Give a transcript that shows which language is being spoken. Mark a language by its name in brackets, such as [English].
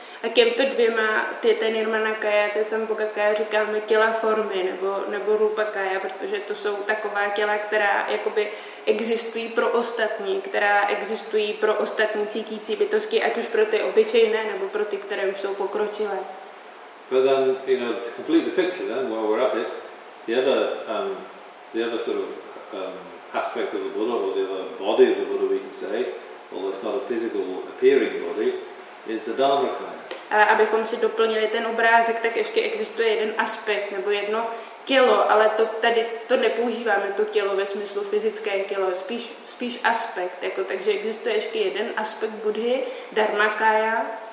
[Czech] A těmto dvěma, ty nirmanakaya, ty sambhogakaya, říkáme těla formy, nebo Rupakaya, protože to jsou taková těla, která jakoby existují pro ostatní, která existují pro ostatní cítící bytosti, ať už pro ty obyčejné, nebo pro ty, které už jsou pokročilé. [English] But then, you know, to complete the picture then, while we're at it, the other sort of aspect of the Buddha, or the other body of the Buddha, we can say, although it's not a physical appearing body, is the Dharmakaya. [Czech] Abychom si doplnili ten obrázek, tak ještě existuje jeden aspekt nebo jedno tělo, ale to tady to nepoužíváme, to tělo ve smyslu fyzické tělo, spíš aspekt, jako, takže existuje ještě jeden aspekt Buddhy, Dharmakaya.